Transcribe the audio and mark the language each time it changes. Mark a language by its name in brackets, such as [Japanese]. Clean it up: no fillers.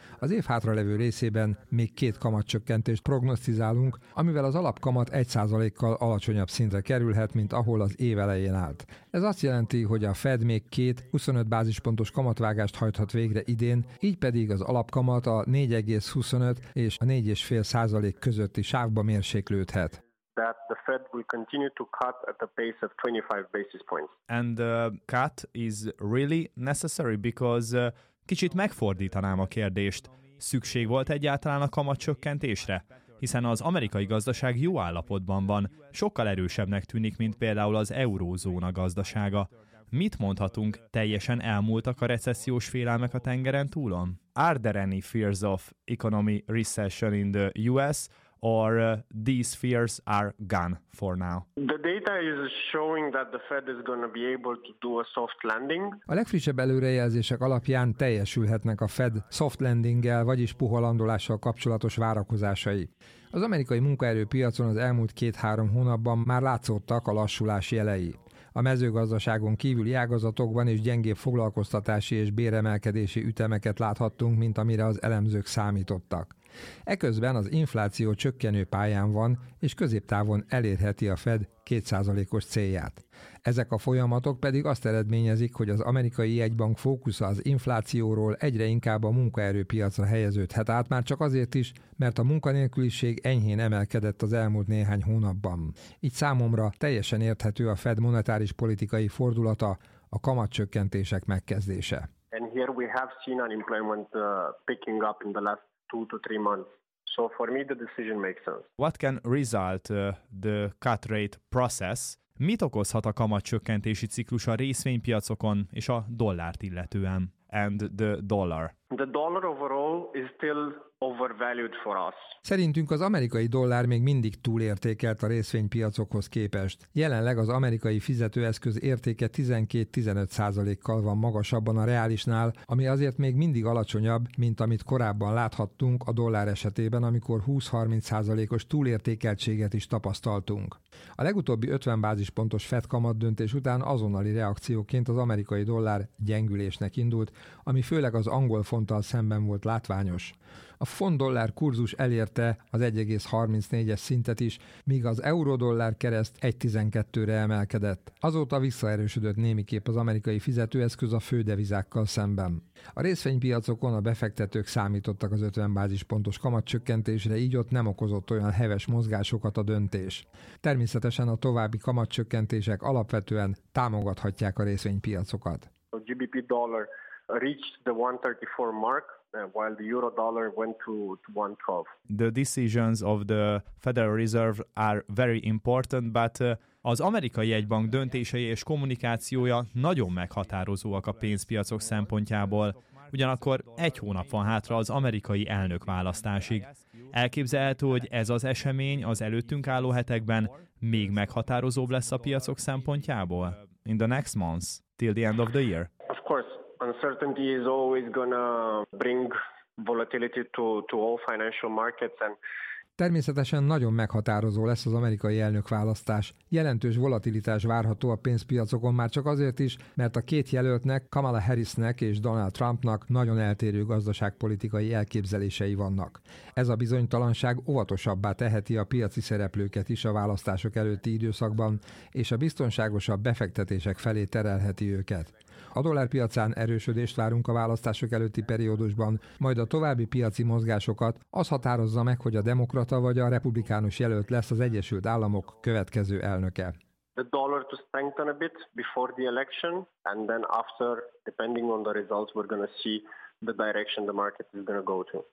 [Hungarian] Az év hátralevő részében még 2 kamatcsökkentést prognosztizálunk, amivel az alapkamat 1%-kal alacsonyabb szintre kerülhet, mint ahol az év elején állt. Ez azt jelenti, hogy a Fed még 2 25 bázispontos kamatvágást hajthat végre idén, így pedig az alapkamat a 4,25 és a 4,5% közötti sávba mérséklődhet. [English] That the Fed will continue to cut at a pace of 25 basis points. And the cut is really necessary because [Hungarian] kicsit megfordítanám a kérdést. Szükség volt egyáltalán a kamatcsökkentésre? Hiszen az amerikai gazdaság jó állapotban van, sokkal erősebbnek tűnik, mint például az eurózóna gazdasága. Mit mondhatunk, teljesen elmúltak a recessziós félelmek a tengeren túlon? [English] Are there any fears of economy recession in the US? Or these fears are gone for now. The data is showing that the Fed is going to be able to do a soft landing. [Hungarian] A legfrissebb előrejelzések alapján teljesülhetnek a Fed soft landinggel, vagyis puha landolással kapcsolatos várakozásai. Az amerikai munkaerőpiacon az elmúlt 2-3 hónapban már látszottak a lassulás jelei. a mezőgazdaságon kívüli ágazatokban is gyengébb foglalkoztatási és béremelkedési ütemeket láthattunk, mint amire az elemzők számítottak. Eközben az infláció csökkenő pályán van, és középtávon elérheti a Fed 2%-os célját. Ezek a folyamatok pedig azt eredményezik, hogy az amerikai jegybank fókusza az inflációról egyre inkább a munkaerőpiacra helyeződhet át, már csak azért is, mert a munkanélküliség enyhén emelkedett az elmúlt néhány hónapban. Így számomra teljesen érthető a Fed monetáris politikai fordulata, a kamatcsökkentések megkezdése. [English] And here we have seen unemployment picking up in the last 2 to 3 months. So for me the decision makes sense. What can result the cut rate process? [Hungarian] Mit okozhat a kamatcsökkentési ciklus a részvénypiacokon és a dollárt illetően? [English] And the dollar. The dollar overall is still overvalued for us. [Hungarian] Szerintünk az amerikai dollár még mindig túlértékelt a részvénypiacokhoz képest. Jelenleg az amerikai fizetőeszköz értéke 12-15%-kal van magasabban a reálisnál, ami azért még mindig alacsonyabb, mint amit korábban láthattunk a dollár esetében, amikor 20-30%-os túlértékeltséget is tapasztaltunk. A legutóbbi 50 bázispontos Fed kamatdöntés után azonnali reakcióként az amerikai dollár gyengülésnek indult, ami főleg az angol fonttal szemben volt látványos. A font-dollár kurzus elérte az 1,34-es szintet is, míg az euró-dollár kereszt 1,12-re emelkedett. Azóta visszaerősödött némiképp az amerikai fizetőeszköz a fő devizákkal szemben. A részvénypiacokon a befektetők számítottak az 50 bázispontos kamatcsökkentésre, így ott nem okozott olyan heves mozgásokat a döntés. Természetesen a további kamatcsökkentések alapvetően támogathatják a részvénypiacokat. [English] A GBP dollar reached the 134 mark, while the euro dollar went to 112. The decisions of the Federal Reserve are very important, but [Hungarian] az amerikai jegybank döntései és kommunikációja nagyon meghatározóak a pénzpiacok szempontjából. Ugyanakkor egy hónap van hátra az amerikai elnök választásig. Elképzelhető, hogy ez az esemény az előttünk álló hetekben még meghatározóbb lesz a piacok szempontjából? [English] In the next months, till the end of the year? Of course. Uncertainty is always gonna bring volatility to all financial markets and [Hungarian] természetesen nagyon meghatározó lesz az amerikai elnökválasztás. Jelentős volatilitás várható a pénzpiacokon már csak azért is, mert a két jelöltnek, Kamala Harrisnek és Donald Trumpnak nagyon eltérő gazdaságpolitikai elképzelései vannak. Ez a bizonytalanság óvatosabbá teheti a piaci szereplőket is a választások előtti időszakban, és a biztonságosabb befektetések felé terelheti őket. A dollárpiacán erősödést várunk a választások előtti periódusban, majd a további piaci mozgásokat az határozza meg, hogy a demokrata vagy a republikánus jelölt lesz az Egyesült Államok következő elnöke. [English] The dollar to strengthen a bit before the election, and then after, depending on the results, we're going to see the direction the market is going to go to.